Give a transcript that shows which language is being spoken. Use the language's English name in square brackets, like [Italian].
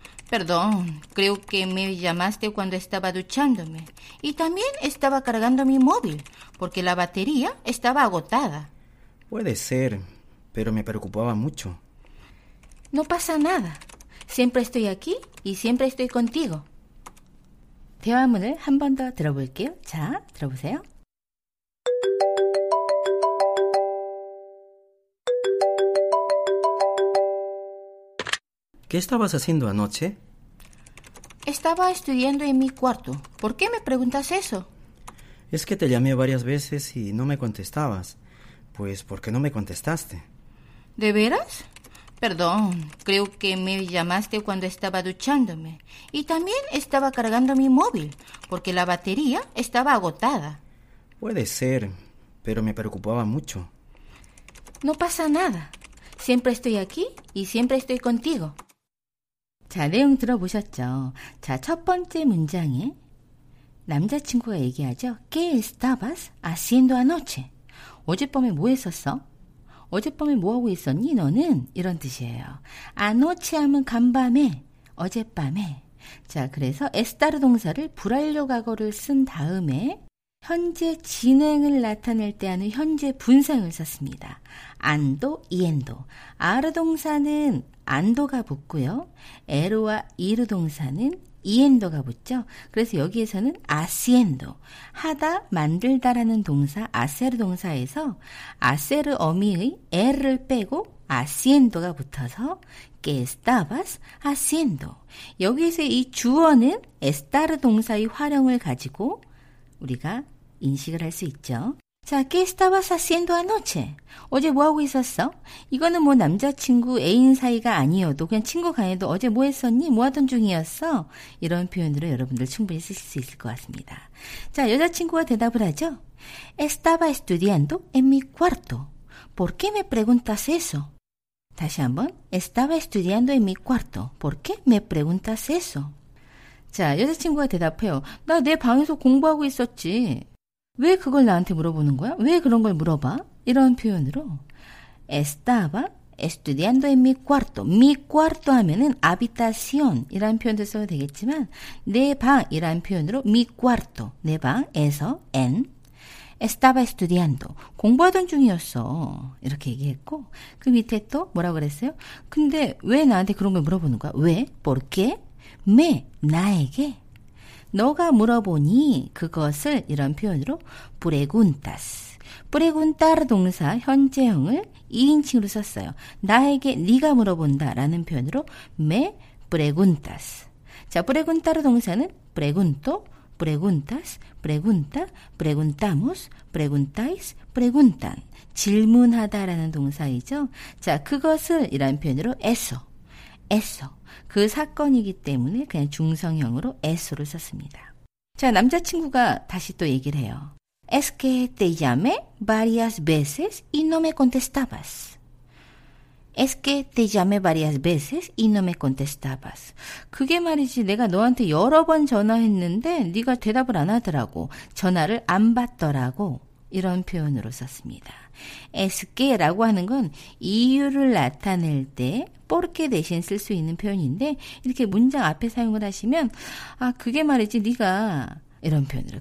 [Spanish] Perdón, creo que me llamaste cuando estaba duchándome. Y también estaba cargando mi móvil, porque la batería estaba agotada. Puede ser, pero me preocupaba mucho. No pasa nada. Siempre estoy aquí y siempre estoy contigo. [Korean] 대화문을 한 번 더 들어볼게요. 자, 들어보세요. [Spanish] ¿Qué estabas haciendo anoche? Estaba estudiando en mi cuarto. ¿Por qué me preguntas eso? Es que te llamé varias veces y no me contestabas. Pues, ¿por qué no me contestaste? ¿De veras? Perdón, creo que me llamaste cuando estaba duchándome. Y también estaba cargando mi móvil, porque la batería estaba agotada. Puede ser, pero me preocupaba mucho. No pasa nada. Siempre estoy aquí y siempre estoy contigo. [Korean] 자, 내용 들어보셨죠? 자, 첫 번째 문장에 남자친구가 얘기하죠. [Spanish] ¿Qué estabas haciendo anoche? [Korean] 어젯밤에 뭐 했었어? 어젯밤에 뭐하고 있었니 너는? 이런 뜻이에요. 아노치 하면 간밤에, 어젯밤에. 자, 그래서 에스타르 동사를 불완료 과거를 쓴 다음에 현재 진행을 나타낼 때 하는 현재 분상을 썼습니다. 안도, 이엔도. 아르 동사는 안도가 붙고요. 에로와 이르 동사는 이엔도가 붙죠. 그래서 여기에서는 아시엔도, 하다, 만들다라는 동사, 아세르 동사에서 아세르 어미의 에를 빼고 아시엔도가 붙어서 [Spanish] que estabas haciendo. [Korean] 여기에서 이 주어는 estar 동사의 활용을 가지고 우리가 인식을 할 수 있죠. [Spanish] 자, ¿qué estabas haciendo anoche? [Korean] 어제 뭐하고 있었어? 이거는 뭐 남자친구, 애인 사이가 아니어도 그냥 친구 간에도 어제 뭐 했었니? 뭐 하던 중이었어? 이런 표현으로 여러분들 충분히 쓰실 수 있을 것 같습니다. 자, 여자친구가 대답을 하죠. [Spanish] Estaba estudiando en mi cuarto. ¿Por qué me preguntas eso? [Korean] 다시 한번. [Spanish] Estaba estudiando en mi cuarto. ¿Por qué me preguntas eso? [Korean] 자, 여자친구가 대답해요. 나 내 방에서 공부하고 있었지. 왜 그걸 나한테 물어보는 거야? 왜 그런 걸 물어봐? 이런 표현으로 [Spanish] estaba estudiando en mi cuarto. [Korean] mi cuarto 하면은 habitación 이라는 표현도 써도 되겠지만 내 방이라는 표현으로 mi cuarto 내 방에서 [Spanish] en estaba estudiando [Korean] 공부하던 중이었어 이렇게 얘기했고 그 밑에 또 뭐라고 그랬어요? 근데 왜 나한테 그런 걸 물어보는 거야? [Spanish] 왜? ¿Por qué? [Korean] me 나에게 너가 물어보니 그것을 이런 표현으로 preguntas. preguntar 동사 현재형을 2인칭으로 썼어요. 나에게 네가 물어본다 라는 표현으로 [Spanish] me preguntas. 자, preguntar 동사는 pregunto, preguntas, pregunta, preguntamos, preguntáis, preguntan. [Korean] 질문하다 라는 동사이죠. 자, 그것을 이런 표현으로 eso. [Spanish] eso. [Korean] 그 사건이기 때문에 그냥 중성형으로 eso를 썼습니다. 자, 남자친구가 다시 또 얘기를 해요. [Spanish] Es que te llamé varias veces y no me contestabas. Es que te llamé varias veces y no me contestabas. [Korean] 그게 말이지 내가 너한테 여러 번 전화했는데 네가 대답을 안 하더라고. 전화를 안 받더라고. 이런 표현으로 썼습니다. Es que라고 하는 건 이유를 나타낼 때 porque 대신 쓸 수 있는 표현인데 이렇게 문장 앞에 사용을 하시면 아 그게 말이지 네가 이런 표현으로.